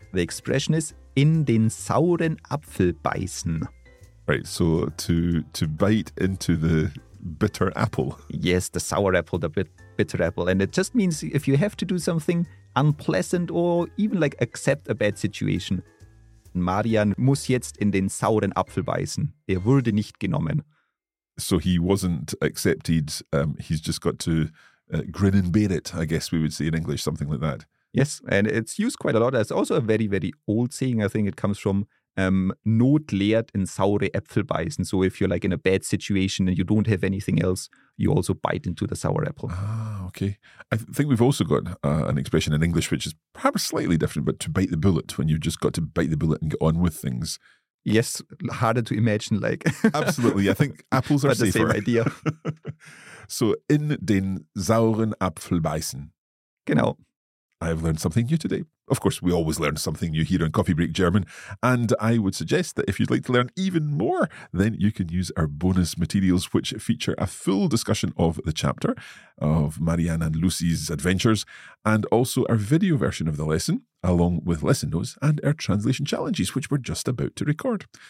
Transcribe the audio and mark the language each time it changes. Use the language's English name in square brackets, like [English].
[English] The expression is [German] in den sauren Apfel beißen. [English] Right, so to bite into the bitter apple. Yes, the sour apple, the bitter apple. And it just means if you have to do something unpleasant or even like accept a bad situation. [German] Marianne muss jetzt in den sauren Apfel beißen. Er wurde nicht genommen. [English] So he wasn't accepted. He's just got to grin and bear it, I guess we would say in English, something like that. Yes, and it's used quite a lot. It's also a very, very old saying. I think it comes from [German] Not lehrt in saure Äpfel beißen. [English] So if you're like in a bad situation and you don't have anything else, you also bite into the sour apple. Ah, okay. I think we've also got an expression in English, which is perhaps slightly different, but to bite the bullet, when you've just got to bite the bullet and get on with things. Yes, harder to imagine, like. Absolutely, I think apples are but safer. The same idea. [German] So in den sauren Apfel beißen. Genau. [English] I have learned something new today. Of course, we always learn something new here on Coffee Break German. And I would suggest that if you'd like to learn even more, then you can use our bonus materials, which feature a full discussion of the chapter of Marianne and Lucy's adventures, and also our video version of the lesson, along with lesson notes and our translation challenges, which we're just about to record.